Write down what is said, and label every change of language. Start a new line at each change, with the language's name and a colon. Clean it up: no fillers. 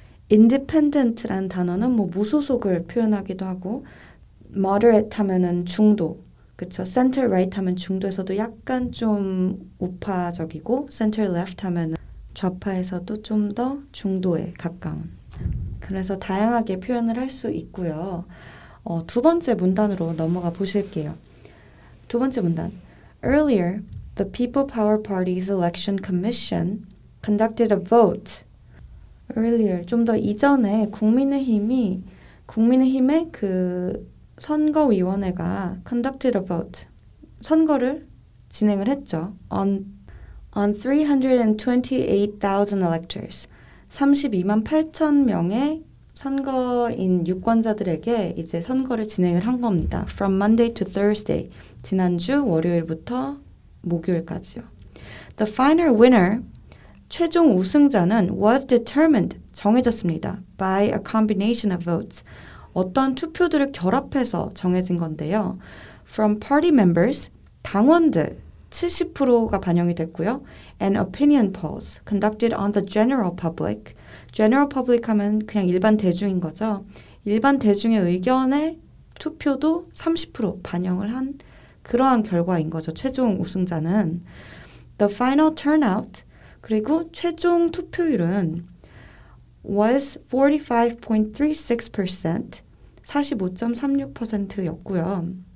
Korean: independent라는 단어는 뭐 무소속을 표현하기도 하고 moderate 하면은 중도, 그쵸? center right 하면 중도에서도 약간 좀 우파적이고 center left 하면 좌파에서도 좀 더 중도에 가까운 그래서 다양하게 표현을 할 수 있고요. 두 번째 문단으로 넘어가 보실게요. 두 번째 문단
English: earlier The People Power Party's Election Commission conducted a vote earlier.
Korean: 좀 더 이전에 국민의힘의 그 선거위원회가
English: conducted a vote.
Korean: 선거를 진행을 했죠.
English: On 328,000 electors.
Korean: 32만 8천 명의 선거인 유권자들에게 이제 선거를 진행을 한 겁니다.
English: From Monday to Thursday.
Korean: 지난주 월요일부터 목요일까지요.
English: The final winner,
Korean: 최종 우승자는
English: was determined,
Korean: 정해졌습니다.
English: By a combination of votes.
Korean: 어떤 투표들을 결합해서 정해진 건데요.
English: From party members,
Korean: 당원들 70%가 반영이 됐고요.
English: And opinion polls conducted on the general public.
Korean: General public 하면 그냥 일반 대중인 거죠. 일반 대중의 의견에 투표도 30% 반영을 한 그러한 결과인 거죠. 최종 우승자는
English: The final turnout
Korean: 그리고 최종 투표율은
English: was 45.36%
Korean: 45.36%였고요.